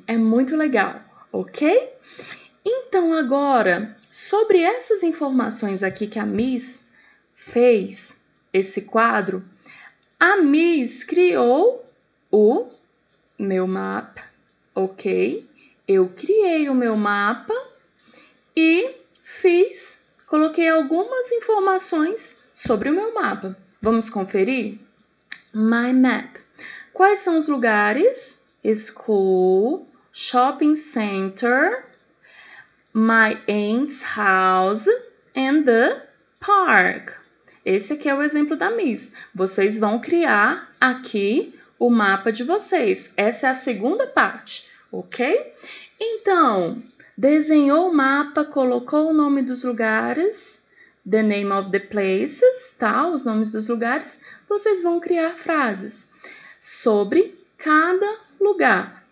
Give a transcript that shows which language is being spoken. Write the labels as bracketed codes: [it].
[pt] É muito legal, ok? Então, agora, sobre essas informações aqui que a Miss fez, esse quadro, a Miss criou o meu mapa, ok? Eu criei o meu mapa e fiz, coloquei algumas informações sobre o meu mapa. Vamos conferir? [en] My map. [pt] Quais são os lugares? [en] School, shopping center, my aunt's house and the park. [pt] Esse aqui é o exemplo da Miss. Vocês vão criar aqui o mapa de vocês. Essa é a segunda parte, ok? Então, desenhou o mapa, colocou o nome dos lugares, [en] the name of the places, [pt] tá? Os nomes dos lugares. Vocês vão criar frases sobre cada lugar.